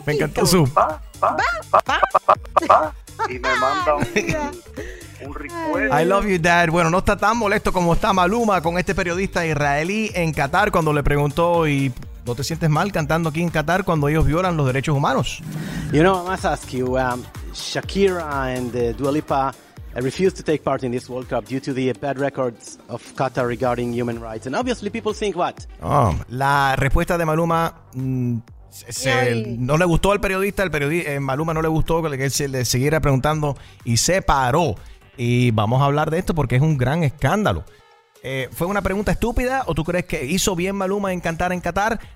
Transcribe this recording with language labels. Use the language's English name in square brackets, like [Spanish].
[Spanish] Me encantó su. Pa. Y me manda un request. [English] I love you, Dad. [Spanish] Bueno, no está tan molesto como está Maluma con este periodista israelí en Qatar cuando le preguntó y... ¿No te sientes mal cantando aquí en Qatar cuando ellos violan los derechos humanos? [English] You know, I must ask you, Shakira and Dua Lipa refused to take part in this World Cup due to the bad records of Qatar regarding human rights. And obviously people think what? [Spanish] Oh, la respuesta de Maluma no le gustó al periodista, Maluma no le gustó que él se le siguiera preguntando y se paró. Y vamos a hablar de esto porque es un gran escándalo. ¿Fue una pregunta estúpida o tú crees que hizo bien Maluma en cantar en Qatar?